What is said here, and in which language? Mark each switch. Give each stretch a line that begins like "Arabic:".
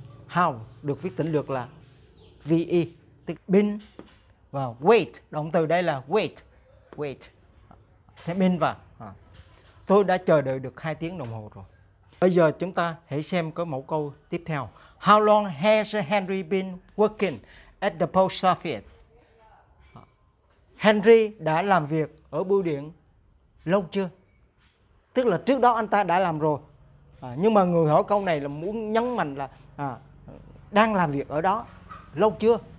Vietnamese: How được viết tỉnh lược là VE, tức been và wait. Động từ đây là wait. Thế been và tôi đã chờ đợi được 2 tiếng đồng hồ rồi. Bây giờ chúng ta hãy xem có mẫu câu tiếp theo.
English: How long has Henry been working at the post office?
Vietnamese: Henry đã làm việc ở bưu điện lâu chưa? Tức là trước đó anh ta đã làm rồi. Nhưng mà người hỏi câu này là muốn nhấn mạnh là đang làm việc ở đó lâu chưa?